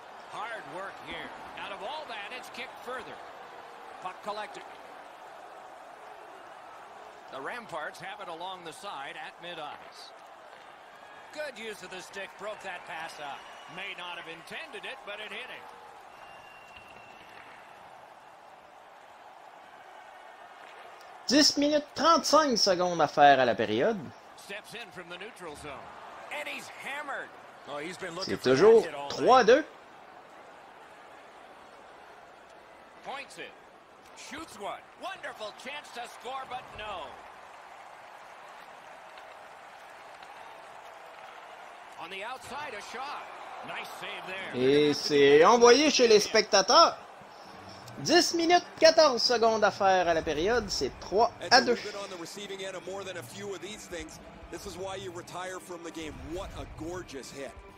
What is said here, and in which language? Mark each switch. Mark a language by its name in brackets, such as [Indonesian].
[English] Hard work here. Out of all that, it's kicked further. Puck collected. The Ramparts have it along the side at mid-ice. Good use of the stick. Broke that pass up. May not have intended it, but it hit him. [French] Dix minutes 35 secondes à faire à la période. [English] Steps in from the neutral zone. And he's hammered. Oh, he's been looking. [French] C'est toujours 3-2. [English] Points it. Shoots one. Wonderful chance to score, but no. On the outside, a shot. Nice save there. [French] Et c'est envoyé chez les spectateurs. 10 minutes 14 secondes à faire à la période, c'est 3-2. [English] Been on the receiving end of more than a few of these things. This is why you retire from the game. What a gorgeous hit.